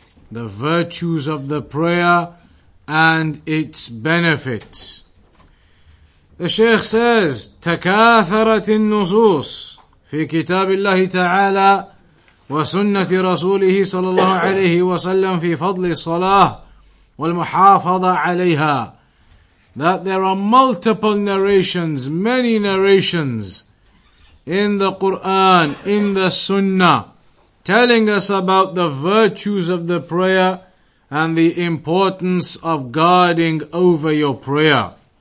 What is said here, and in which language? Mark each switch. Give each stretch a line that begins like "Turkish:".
English: The virtues of the prayer and its benefits. The Shaykh says,
Arabic: تكاثرت النصوص في كتاب الله تعالى وسنة رسوله صلى الله عليه وسلم في فضل الصلاة والمحافظة عليها.
English: That there are multiple narrations, many narrations in the Quran, in the Sunnah, telling us about the virtues of the prayer and the importance of guarding over your prayer.